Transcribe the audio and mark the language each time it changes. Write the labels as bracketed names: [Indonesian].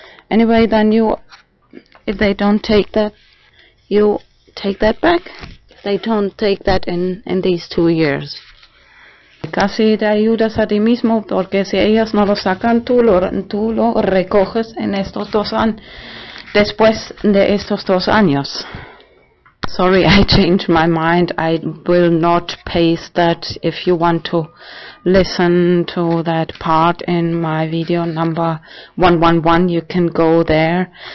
[English] Anyway, then you, if they don't take that, you take that back. If they don't take that in these 2 years. [Spanish] Casi te ayudas a ti mismo, porque si ellas no lo sacan, tú lo recoges en estos 2 años, después de estos 2 años. [English] Sorry, I changed my mind. I will not paste that. If you want to listen to that part in my video number 111, you can go there.